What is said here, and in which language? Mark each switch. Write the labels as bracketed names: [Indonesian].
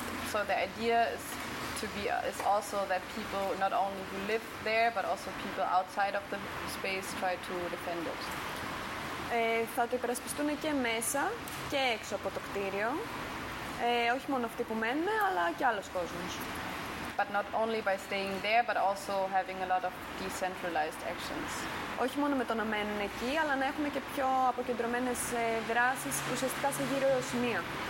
[English] So the idea is to be is also that people not only who live there but also people outside of the space try to defend it. [Greek] Θα το υπερασπιστούν και μέσα και έξω από το κτίριο, όχι μόνο αυτοί που μένουν, αλλά και άλλος κόσμος. [English] But not only by staying there, but also having a lot of decentralized actions. [Greek] Όχι μόνο με το να μένουν εκεί, αλλά να έχουμε και πιο αποκεντρωμένες δράσεις, ουσιαστικά σε γύρω σημεία.